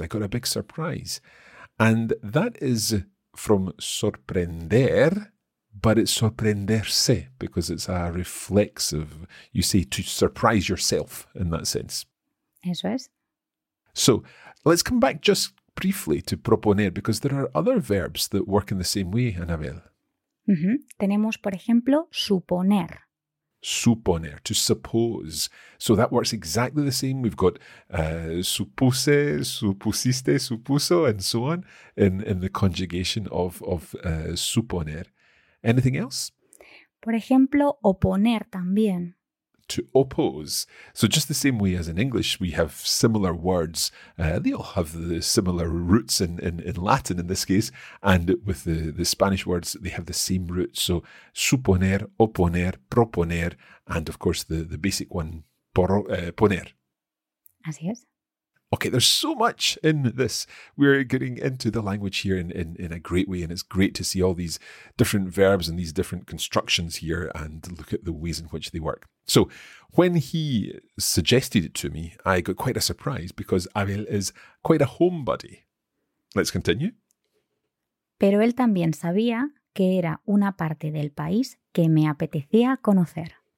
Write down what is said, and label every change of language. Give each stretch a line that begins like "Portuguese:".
English: I got a big surprise. And that is from sorprender, but it's sorprenderse because it's a reflexive, you say, to surprise yourself in that sense.
Spanish: Eso es.
English: So let's come back just briefly to proponer because there are other verbs that work in the same way, Anabel. Mm-hmm.
Spanish: Tenemos, por ejemplo, suponer.
English: Suponer, to suppose. So that works exactly the same. We've got
Spanish: supuse, supusiste, supuso,
English: and so on in the conjugation of suponer. Anything else?
Spanish: Por ejemplo, oponer también.
English: To oppose. So just the same way as in English, we have similar words. They all have the similar roots in Latin in this case. And with the Spanish words, they have the same root. So suponer, oponer, proponer, and of course the basic one, poner.
Spanish: Así es.
English: Okay, there's so much in this. We're getting into the language here in a great way, and it's great to see all these different verbs and these different constructions here and look at the ways in which they work. So when he suggested it to me, I got quite a surprise because Abel is quite a homebody. Let's continue.
Spanish: Pero él también sabía que era una parte del país que me apetecía conocer.